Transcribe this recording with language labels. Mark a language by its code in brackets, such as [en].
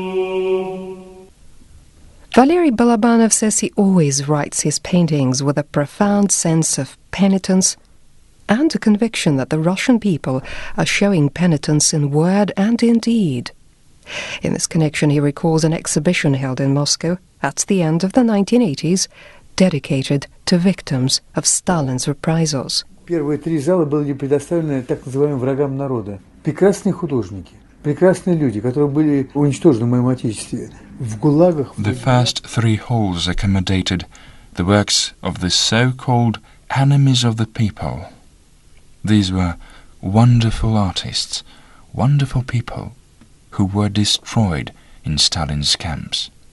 [en] Valery Balabanov says he always writes his paintings with a profound sense of penitence and a conviction that the Russian people are showing penitence in word and in deed. In this connection, he recalls an exhibition held in Moscow at the end of the 1980s, dedicated to victims of Stalin's reprisals. [ru] Первые три зала были предоставлены так называемым врагам народа. Прекрасные художники, прекрасные люди, которые были уничтожены в моем отечестве. [en] The first three halls accommodated the works of the so-called enemies of the people. These were wonderful artists, wonderful people, who were destroyed in Stalin's camps.